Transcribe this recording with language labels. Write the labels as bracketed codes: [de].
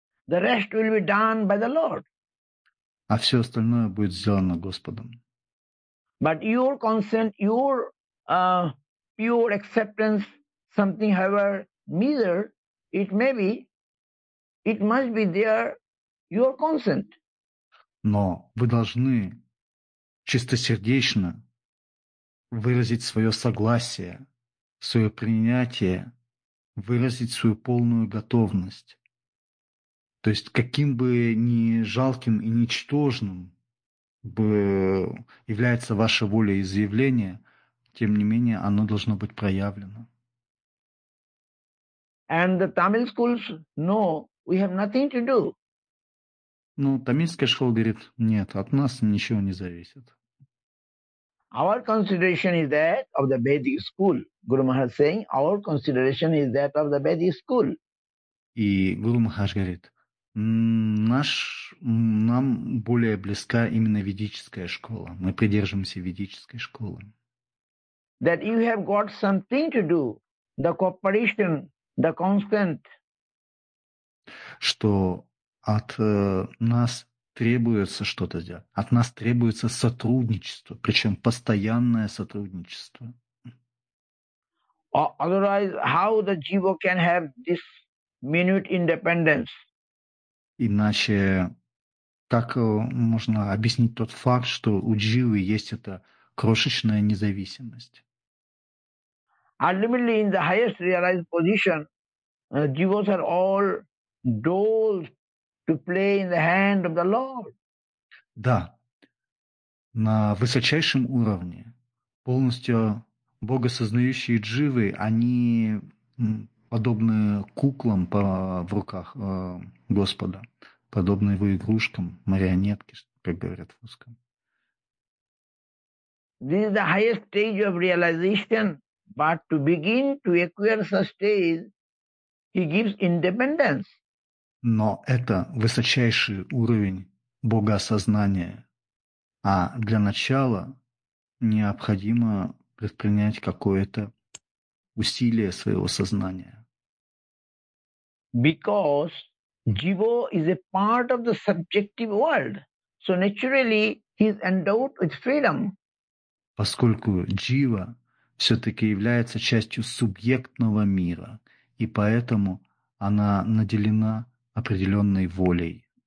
[en] The rest will be done by the Lord. [ru] А все остальное будет сделано Господом. [en] But your consent, your pure acceptance, something however meager, it may be, it must be there, your consent. [ru] Но вы должны чистосердечно выразить свое согласие, свое принятие, выразить свою полную готовность. То есть каким бы ни жалким и ничтожным бы является ваша воля и изъявление, тем не менее оно должно быть проявлено. [en] And the Tamil schools know we have nothing to do. [ru] Ну, тамильская школа говорит, нет, от нас ничего не зависит. [en] Our consideration is that of the Vedic school. Guru Maharaj saying, our consideration is that of the Vedic school. [ru] И Гуру Махарадж говорит, нам более близка именно ведическая школа. Мы придерживаемся ведической школы. [en] That you have got something to do, the cooperation, the consent. [ru] Что от нас требуется что-то сделать. От нас требуется сотрудничество, причем постоянное сотрудничество. [en] Otherwise, how the jiva can have this minute independence? [ru] Иначе как можно объяснить тот факт, что у дживы есть эта крошечная независимость? [en] Ultimately, in the highest realized position, jivas are all dolls to play in the hand of the Lord. [ru] Да. На высочайшем уровне полностью богосознающие дживы, они подобны куклам в руках Господа, подобны его игрушкам, марионетки, как говорят в русском. [en] This is the highest stage of realization, but to begin to acquire such stage, he gives independence. [ru] Но это высочайший уровень богоосознания. А для начала необходимо предпринять какое-то усилие своего сознания. [en] Because jivo is a part of the subjective world, so naturally he is endowed with freedom. [ru] Поскольку джива все-таки является частью субъектного мира, и поэтому она наделена определенной волей.